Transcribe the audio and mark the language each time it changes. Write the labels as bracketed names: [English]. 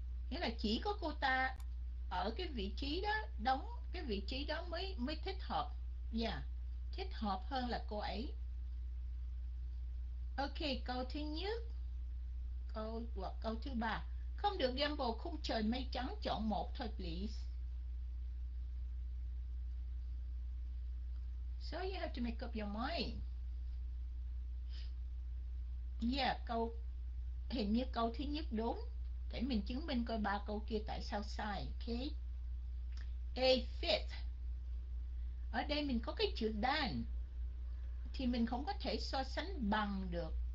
[Vietnamese] nghĩa là chỉ có cô ta ở cái vị trí đó, đóng cái vị trí đó mới mới thích hợp, thích hợp hơn là cô ấy. Ok, câu thứ nhất, câu hoặc câu thứ ba, không được gamble khung trời mây trắng, chọn một thôi please. [English] So you have to make up your mind. [Vietnamese] Yeah, câu hình như câu thứ nhất đúng. Để mình chứng minh coi ba câu kia tại sao sai. Okay. A fit. Ở đây mình có cái chữ than thì mình không có thể so sánh bằng được.